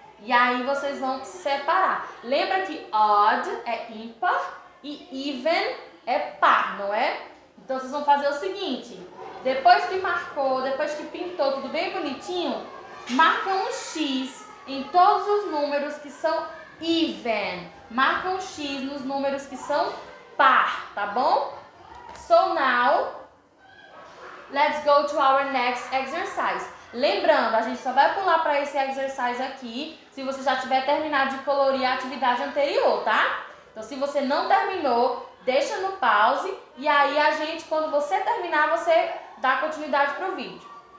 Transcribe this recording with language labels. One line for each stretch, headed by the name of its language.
Portuguese: E aí vocês vão separar. Lembra que odd é ímpar e even é par, não é? Então vocês vão fazer o seguinte. Depois que marcou, depois que pintou tudo bem bonitinho, marca um X em todos os números que são even. Marca um X nos números que são par, tá bom?
English: So now, let's go to our next exercise.
Portuguese: Lembrando, a gente só vai pular para esse exercise aqui se você já tiver terminado de colorir a atividade anterior, tá? Então, se você não terminou, deixa no pause e aí a gente, quando você terminar, você dá continuidade pro vídeo.